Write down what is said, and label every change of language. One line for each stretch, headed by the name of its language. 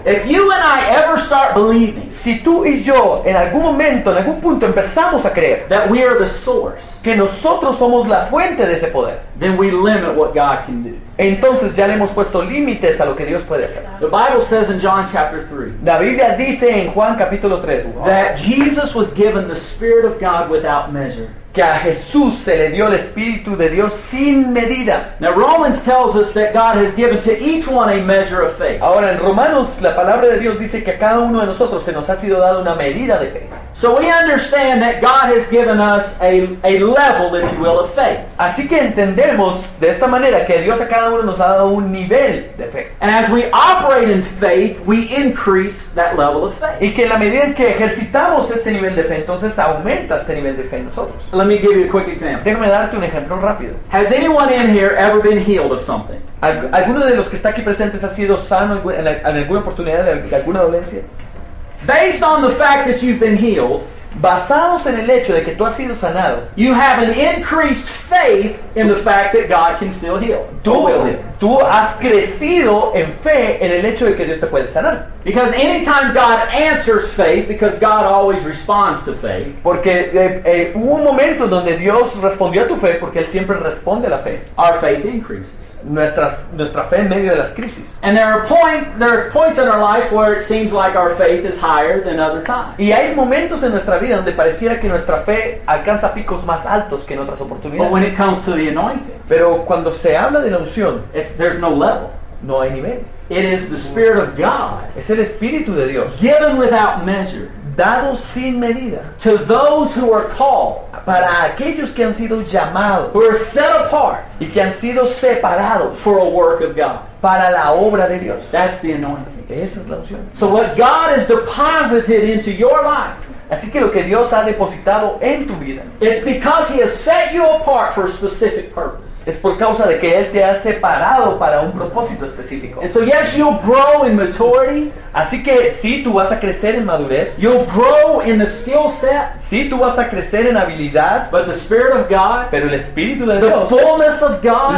English: If you and I ever start believing,
Spanish: si tú y yo en algún momento, en algún punto empezamos a creer
English: that we are the source,
Spanish: que nosotros somos la fuente de ese poder,
English: then we limit what God can do.
Spanish: Entonces ya le hemos puesto límites a lo que Dios puede hacer.
English: The Bible says in John chapter 3,
Spanish: la Biblia dice en Juan capítulo 3, wow,
English: that Jesus was given the Spirit of God without measure.
Spanish: Que a Jesús se le dio el Espíritu de Dios sin medida.
English: Now Romans tells us that God has given to each one a measure of faith.
Spanish: Ahora en Romanos la palabra de Dios dice que a cada uno de nosotros se nos ha sido dado una medida de fe.
English: So we understand that God has given us a level, if you will, of faith.
Spanish: Así que entendemos de esta manera que Dios a cada uno nos ha dado un nivel de fe.
English: And as we operate in faith, we increase that level of faith.
Spanish: Y que en la medida en que ejercitamos este nivel de fe, entonces aumenta este nivel de fe en nosotros.
English: Let me give you a quick example.
Spanish: Déjame darte un ejemplo rápido.
English: Has anyone in here ever been healed of something?
Spanish: ¿Alguno de los que está aquí presentes ha sido sano en alguna oportunidad de alguna dolencia?
English: Based on the fact that you've been healed,
Spanish: basados en el hecho de que tú has sido sanado,
English: you have an increased faith in the fact that God can still heal.
Spanish: Tú has crecido en fe en el hecho de que Dios te puede sanar.
English: Because anytime God answers faith, because God always responds to faith.
Spanish: Porque hubo un momento donde Dios respondió a tu fe, porque Él siempre responde a la fe.
English: Our faith increases.
Spanish: Nuestra fe en medio de las crisis.
English: And there are points in our life where it seems like our faith is higher than other times.
Spanish: Y hay momentos en nuestra vida donde pareciera que nuestra fe alcanza picos más altos que en otras oportunidades.
English: But when it comes to the anointing,
Spanish: pero cuando se habla de la unción,
English: there's no level.
Spanish: No hay nivel.
English: It is the Spirit of God.
Spanish: Es el Espíritu de Dios.
English: Given without measure.
Spanish: Dado sin medida.
English: To those who are called.
Spanish: Para aquellos que han sido llamados.
English: Who are set apart.
Spanish: Y que han sido separados.
English: For a work of God.
Spanish: Para la obra de Dios.
English: That's the anointing.
Spanish: Esa es la unción.
English: So what God has deposited into your life.
Spanish: Así que lo que Dios ha depositado en tu vida.
English: It's because He has set you apart for a specific purpose.
Spanish: Es por causa de que Él te ha separado para un propósito específico.
English: And so yes, you'll grow in maturity.
Spanish: Así que sí, tú vas a crecer en madurez.
English: You'll grow in the skill set.
Spanish: Sí, tú vas a crecer en habilidad.
English: But the Spirit of God,
Spanish: pero el Espíritu de
English: the
Spanish: Dios,
English: fullness of God,